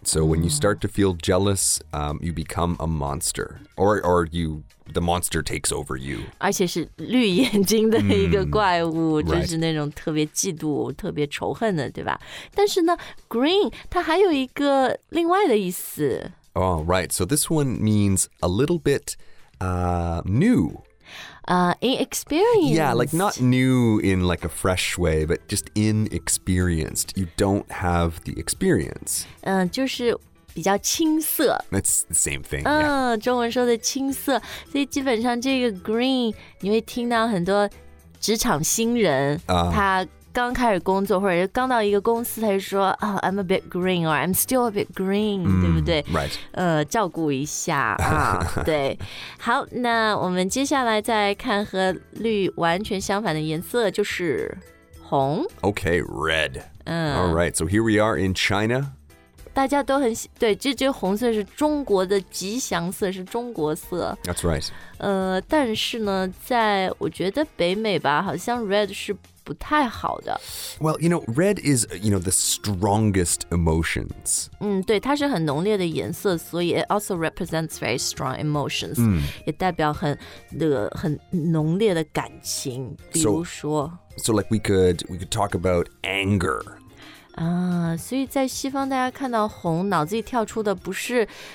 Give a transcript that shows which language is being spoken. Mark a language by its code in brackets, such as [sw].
[en] So when you start to feel jealous, you become a monster, or you the monster takes over you. [zh] 而且是绿眼睛的一个怪物， [en] right. [zh] 就是那种特别嫉妒、特别仇恨的，对吧？但是呢 ，green 它还有一个另外的意思。 [en] Oh, right. So this one means a little bit new. Inexperienced. Yeah, like not new in like a fresh way, but just inexperienced. You don't have the experience. [zh] 就是比较青涩。 [en] That's the same thing. [zh] 中文说的青涩。所以基本上这个 green, 你会听到很多职场新人他刚开始工作或者刚到一个公司他就说、 [en] oh, I'm a bit green [zh] or I'm still a bit green、对不对、 right. 照顾一下、对，好，那我们接下来再看和绿完全相反的颜色，就是红。 [en] OK, red、Alright, so here we are in China. [zh] 大家都很对，这红色是中国的吉祥色，是中国色。 [en] That's right. [zh] 但是呢，在我觉得北美吧，好像 red 是不太好的。 [en] Well, you know, red is, you know, the strongest emotions. [zh] 对，它是很浓烈的颜色，所以 [en] it also represents very strong emotions. [zh] 也代表很浓烈的感情，比如说。 [en] So like we could talk about anger. [zh] 所以在西方大家看到红，脑子里跳出的不是